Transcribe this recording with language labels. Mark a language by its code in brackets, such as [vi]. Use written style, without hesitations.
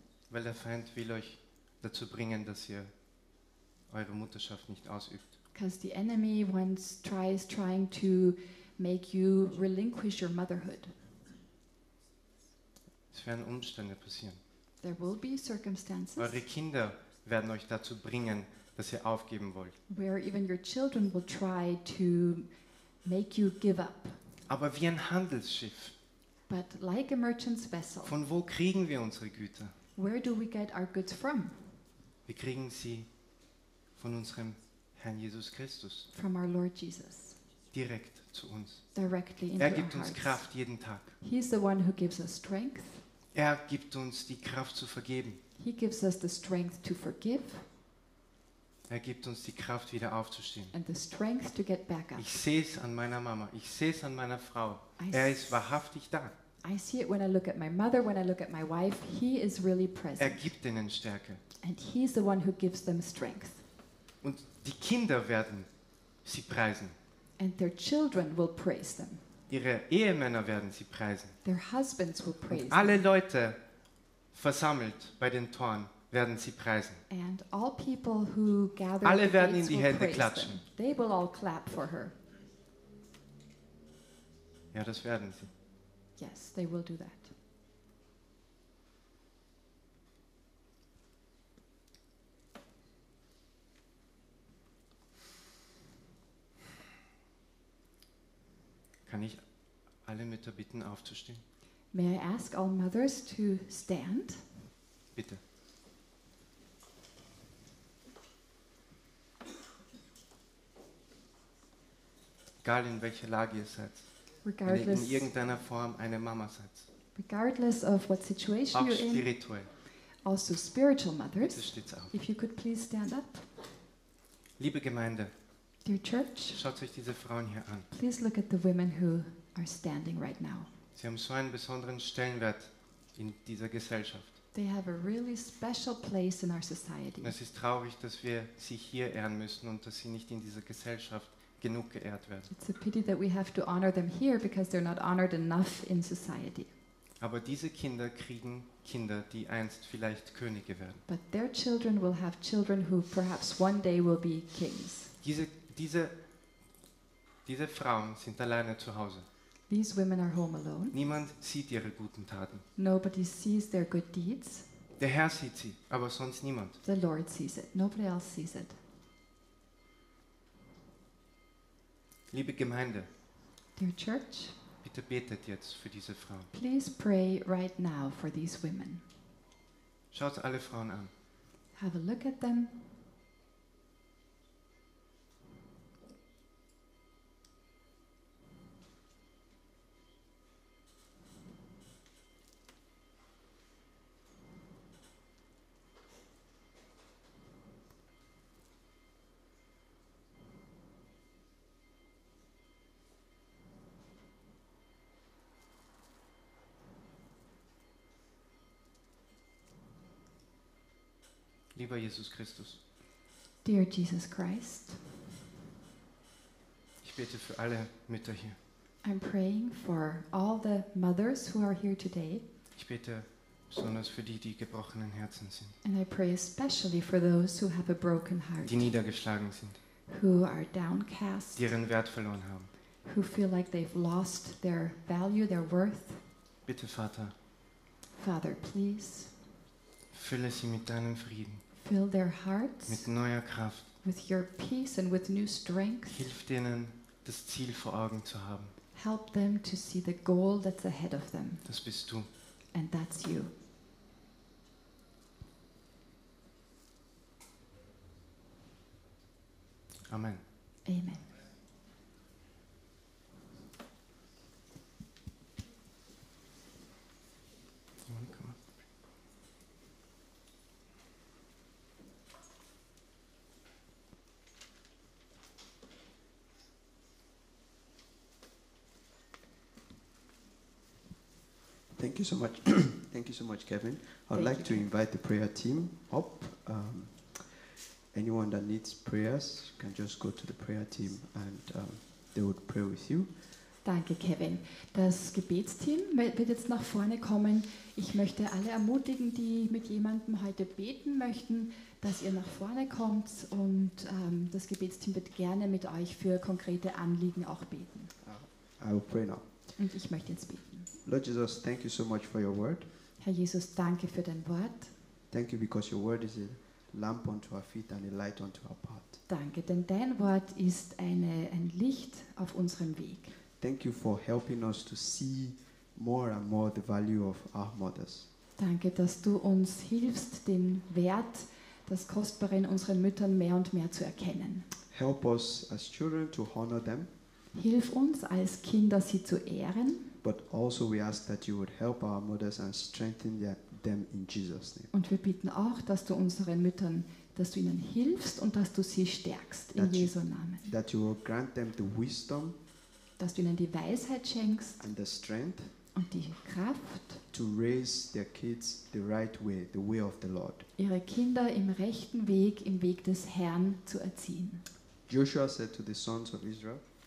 [de] Weil der Feind will euch dazu bringen, dass ihr eure Mutterschaft nicht ausübt. [en] Because the enemy once trying to make you relinquish your motherhood. [de] Es werden Umstände passieren. [en] There will be circumstances. [de] Eure Kinder werden euch dazu bringen, dass ihr aufgeben wollt. [en] Where even your children will try to make you give up. [de] Aber wie ein Handelsschiff. [en] But like a merchant's vessel. [de] Von wo kriegen wir unsere Güter? [en] Where do we get our goods from? [de] Wir kriegen sie von unserem Herrn Jesus Christus. [en] From our Lord Jesus. [de] Direkt zu uns. [en] Directly into our hearts. [de] Er gibt uns Kraft jeden Tag. [en] He's the one who gives us strength. [de] Er gibt uns die Kraft zu vergeben. [en] He gives us the strength to forgive. [de] Er gibt uns die Kraft, wieder aufzustehen. [en] And the strength to get back up. [de] Ich sehe es an meiner Mama. Ich sehe es an meiner Frau. Er ist wahrhaftig da. [en] I see it when I look at my mother, when I look at my wife. He is really present. [de] Er gibt ihnen Stärke. [en] And he's the one who gives them strength. [de] Und die Kinder werden sie preisen. [en] And their children will praise them. [de] Ihre Ehemänner werden sie preisen. [en] Their husbands will praise. [de] Und alle Leute versammelt bei den Toren werden sie preisen. [en] And all people who gather, [de] alle werden in die Hände klatschen. [en] They will all clap for her. [de] Ja, das werden sie. [en] Yes, they will do that. [de] Kann ich alle Mütter bitten, aufzustehen? [en] May I ask all mothers to stand? [de] Bitte. Egal in welcher Lage ihr seid. [en] Regardless, [de] wenn ihr in irgendeiner Form eine Mama seid. [en] Regardless of what situation [de] auch [en] you're in. [de] Spirituell. [en] Also spiritual mothers. [de] Bitte steht auf. [en] If you could please stand up. [de] Liebe Gemeinde. [en] Dear church. [de] Schaut euch diese Frauen hier an. [en] Please look at the women who are standing right now. [de] Sie haben so einen besonderen Stellenwert in dieser Gesellschaft. [en] They have a really special place in our society. [de] Es ist traurig, dass wir sie hier ehren müssen und dass sie nicht in dieser Gesellschaft genug geehrt werden. [en] It's a pity that we have to honor them here because they're not honored enough in society. [de] Aber diese Kinder kriegen Kinder, die einst vielleicht Könige werden. [en] But their children will have children who perhaps one day will be kings. [de] Diese Frauen sind alleine zu Hause. [en] These women are home alone. [de] Niemand sieht ihre guten Taten. [en] Nobody sees their good deeds. [de] Der Herr sieht sie, aber sonst niemand. [en] The Lord sees it. Nobody else sees it. [de] Liebe Gemeinde, [en] dear church, [de] bitte betet jetzt für diese Frauen. [en] Please pray right now for these women. [de] Schaut alle Frauen an. [en] Have a look at them. [de] Lieber Jesus Christus. [en] Dear Jesus Christ. [de] Ich bete für alle Mütter hier. [en] I'm praying for all the mothers who are here today. [de] Ich bete besonders für die, die gebrochenen Herzen sind. [en] And I pray especially for those who have a broken heart. [de] Die niedergeschlagen sind. [en] Who are downcast. [de] Die ihren Wert verloren haben. [en] Who feel like they've lost their value, their worth. [de] Bitte Vater. [en] Father, please. [de] Fülle sie mit deinem Frieden. [en] Fill their hearts [de] mit neuer Kraft. [en] With your peace and with new strength. [de] Hilf ihnen, das Ziel vor Augen zu haben. [en] Help them to see the goal that's ahead of them. [de] Das bist du. [en] And that's you. [de] Amen. [en] Amen. Thank you so much. Thank you so much, Kevin. I'd like to invite the prayer team up. Anyone that needs prayers can just go to the prayer team and they would pray with you. [de] Danke, Kevin. Das Gebetsteam wird jetzt nach vorne kommen. Ich möchte alle ermutigen, die mit jemandem heute beten möchten, dass ihr nach vorne kommt und das Gebetsteam wird gerne mit euch für konkrete Anliegen auch beten. [en] I will pray now. [de] Und ich möchte jetzt beten. [en] Lord Jesus, thank you so much for your word. [de] Herr Jesus, danke für dein Wort. [en] Thank you because your word is a lamp unto our feet and a light unto our path. [de] Danke, denn dein Wort ist ein Licht auf unserem Weg. [en] Thank you for helping us to see more and more the value of our mothers. [de] Danke, dass du uns hilfst, den Wert, das Kostbare in unseren Müttern mehr und mehr zu erkennen. [en] Help us as children to honor them. [de] Hilf uns als Kinder, sie zu ehren. [en] But also we ask that you would help our mothers and strengthen them in Jesus' name. [de] Und wir bitten auch, dass du unseren Müttern, dass du ihnen hilfst und dass du sie stärkst in Jesu Namen. [en] That you will grant them the wisdom. [de] Dass du ihnen die Weisheit schenkst [en] and the strength [de] und die Kraft, [en] to raise their kids the right way, the way of the Lord. [de] Ihre Kinder im rechten Weg, im Weg des Herrn zu erziehen. [en] Joshua said to the sons of Israel.